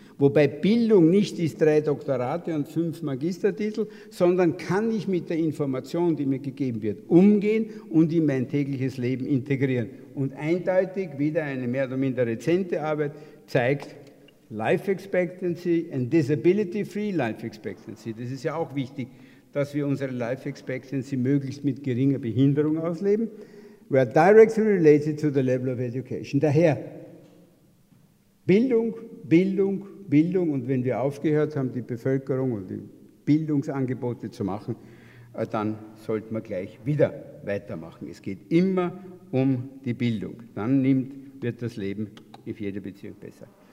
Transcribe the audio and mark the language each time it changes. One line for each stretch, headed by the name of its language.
German: Wobei Bildung nicht ist 3 Doktorate und 5 Magistertitel, sondern kann ich mit der Information, die mir gegeben wird, umgehen und in mein tägliches Leben integrieren. Und eindeutig, wieder eine mehr oder minder rezente Arbeit, zeigt
English: Life Expectancy and Disability-Free Life Expectancy.
German: Das ist ja auch wichtig, dass wir unsere Life Expectancy möglichst mit geringer Behinderung ausleben.
English: We are directly related to the level of education.
German: Daher, Bildung, Bildung, Bildung, und wenn wir aufgehört haben, die Bevölkerung und die Bildungsangebote zu machen, dann sollten wir gleich wieder weitermachen. Es geht immer um die Bildung. Dann wird das Leben in jeder Beziehung besser.